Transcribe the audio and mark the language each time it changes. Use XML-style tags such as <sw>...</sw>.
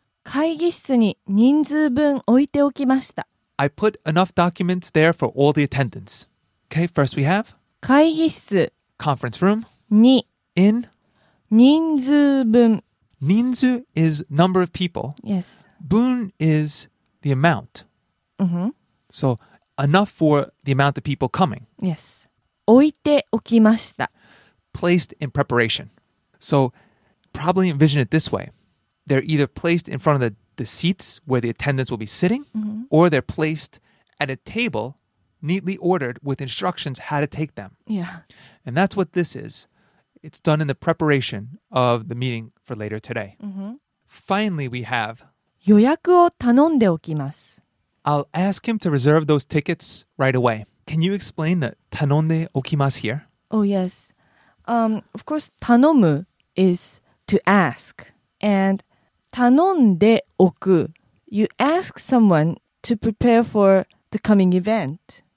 <ja>会議室に人数分置いておきました.</ja> <en>I put enough documents there for all the attendants. Okay, first we have?</en> <ja>会議室.</ja> <en>Conference room.</en> <ja>に.</ja> <en>In.</en> <ja>人数分.</ja> <en>人数 is number of people. Yes. 分 is the amount. Mm-hmm. So enough for the amount of people coming.</en> <ja>Yes. 置いておきました.</ja> <en>Placed in preparation. So probably envision it this way. They're either placed in front of the seats where the attendants will be sitting, mm-hmm. or they're placed at a table neatly ordered with instructions how to take them. Yeah. And that's what this is. It's done in the preparation of the meeting for later today. Mm-hmm. Finally, we have</en> <ja>予約を頼んでおきます.</ja> <en>I'll ask him to reserve those tickets right away. Can you explain the 頼んでおきます here? Oh, yes. Of course, 頼む is to ask. And 頼んでおく, you ask someone to prepare for the coming event.</en>